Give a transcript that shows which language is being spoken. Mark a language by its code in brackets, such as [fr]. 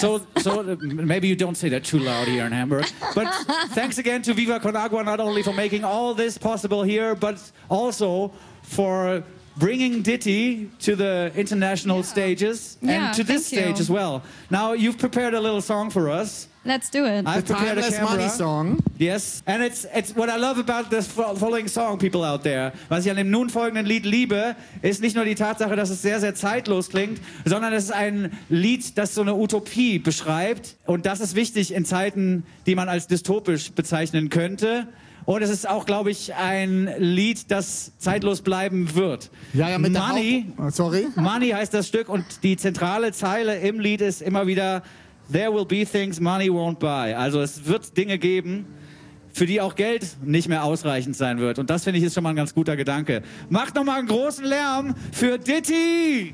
[en] So maybe you don't say that too loud here in Hamburg. But thanks again to Viva Con Agua, not only for making all this possible here, but also for bringing Ditty to the international stages and to this stage as well. Now, you've prepared a little song for us. Let's do it. I've prepared a camera. Money song. Yes, and it's what I love about this following song, people out there. [de] Was ich an dem nun folgenden Lied liebe, ist nicht nur die Tatsache, dass es sehr, sehr zeitlos klingt, sondern es ist ein Lied, das so eine Utopie beschreibt. Und das ist wichtig in Zeiten, die man als dystopisch bezeichnen könnte. Und es ist auch, glaube ich, ein Lied, das zeitlos bleiben wird. Ja, ja, mit Money, Money heißt das Stück, und die zentrale Zeile im Lied ist immer wieder... [en] There will be things money won't buy. [de] Also es wird Dinge geben, für die auch Geld nicht mehr ausreichend sein wird. Und das, finde ich, ist schon mal ein ganz guter Gedanke. Macht nochmal einen großen Lärm für Ditty!